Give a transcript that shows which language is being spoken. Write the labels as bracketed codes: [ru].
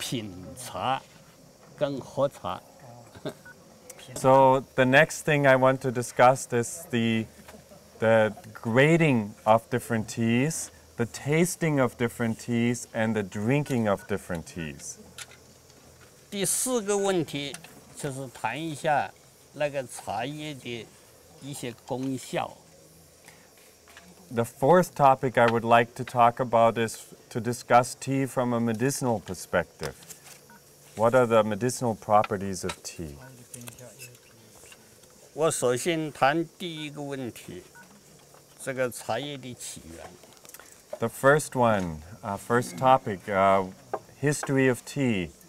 [zh] 第三个问题呢，是向大家介绍一下品茶、品茶跟喝茶。 [en] So the next thing I want to discuss is the grading of different teas, the tasting of different teas, and the drinking of different teas. [zh] 第四个问题就是谈一下那个茶叶的一些功效。 [en] The fourth topic I would like to talk about is to discuss tea from a medicinal perspective. What are the medicinal properties of tea? [zh] 我首先谈第一个问题，这个茶叶的起源。 [en] The first one, first topic, history of tea.